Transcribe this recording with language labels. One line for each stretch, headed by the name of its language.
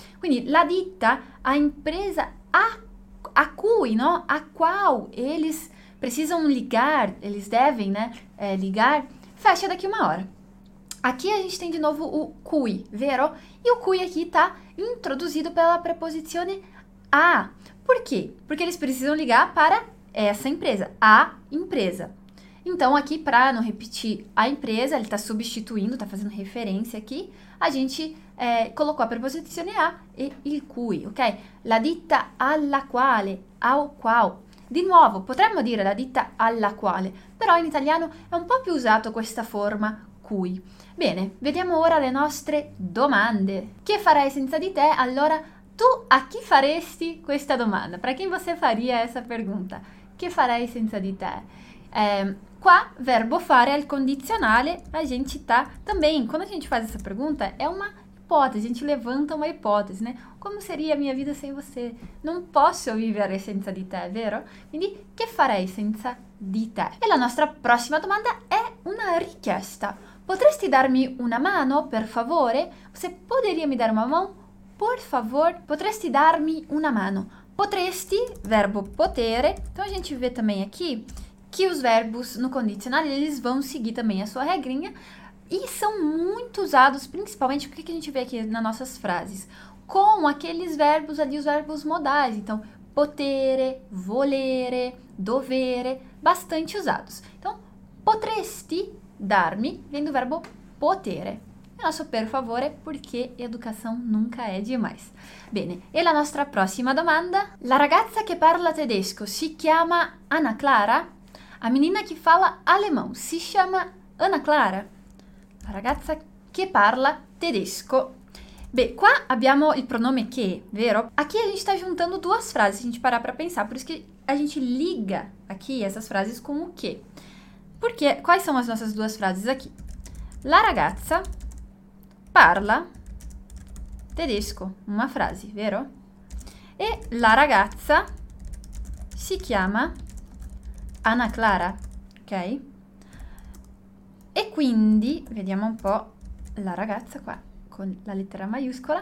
Portuguese: Quindi, la ditta, a empresa a cui, no? A qual eles precisam ligar, eles devem, né, ligar, fecha daqui uma hora. Aqui a gente tem de novo o cui, vero? E o cui aqui tá introduzido pela preposizione a. Por quê? Porque eles precisam ligar para essa empresa, a empresa. Então, aqui, para não repetir a empresa, ele tá substituindo, tá fazendo referência aqui, a gente colocou a preposizione a e il cui, ok?
Italian: La ditta alla quale, ao qual. Di nuovo, potremmo dire la ditta alla quale, però in italiano è un po' più usato questa forma cui. Bene, vediamo ora le nostre domande. Che farei senza di te? Allora, tu a chi faresti questa domanda?
Portuguese: Para quem você faria essa pergunta?
Italian: Che farei senza di te? Qua, verbo fare al condizionale,
Portuguese: a gente tá também. Quando a gente faz essa pergunta, é uma hipótese, a gente levanta uma hipótese, né? Como seria a minha vida sem você?
Italian: Non posso vivere senza di te, vero? Quindi, che farei senza di te? E la nostra prossima domanda è una richiesta. Potresti darmi una mano, per favore?
Portuguese: Você poderia me dar uma mão? Por favor,
Italian: potresti darmi una mano.
Portuguese: Potresti, verbo potere. Então, a gente vê também aqui que os verbos no condicionale, eles vão seguir também a sua regrinha. E são muito usados, principalmente, o que a gente vê aqui nas nossas frases? Com aqueles verbos ali, os verbos modais. Então, potere, volere, dovere, bastante usados. Então, potresti darmi, vem do verbo potere. E nosso per favore, porque educação nunca é demais.
Italian: Bene, e la nostra prossima domanda? La ragazza che parla tedesco si chiama Anna Clara?
Portuguese: A menina que fala alemão
Italian: si chiama
Portuguese: Anna Clara?
Italian: La ragazza che parla tedesco. Beh, qua abbiamo il pronome che, vero?
Portuguese: Aqui a gente está juntando duas frases, se a gente parar para pensar. Por isso que a gente liga aqui essas frases com o che. Porque, quais são as nossas duas frases aqui?
Italian: La ragazza parla tedesco.
Portuguese: Uma frase,
Italian: vero? E la ragazza si chiama Anna Clara, ok? E quindi, vediamo un po' la ragazza qua, con la lettera maiuscola.